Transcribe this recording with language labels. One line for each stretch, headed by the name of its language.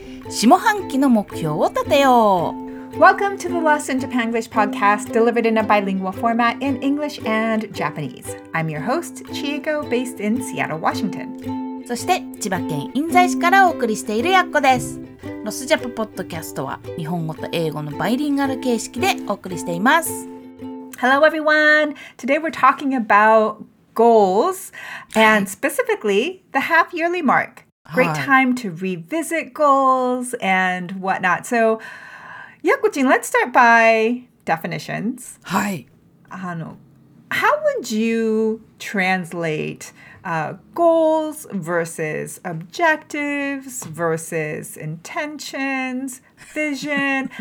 Japanese: 下半期の目標を立てよう。
English: Welcome to the Lesson Japanglish podcast, delivered in a bilingual format in English and Japanese. I'm your host, Chieko, based in Seattle, Washington.
Japanese: そして千葉県印西市からお送りしているやっこです。ロスジャパポッドキャストは日本語と英語のバイリンガル形式でお送りしています。
English: Hello everyone! Today we're talking about goals and specifically the half-yearly mark. Great time to revisit goals and whatnot. So, Yakuchin, let's start by definitions. Hi. How would you translate goals versus objectives versus intentions, vision?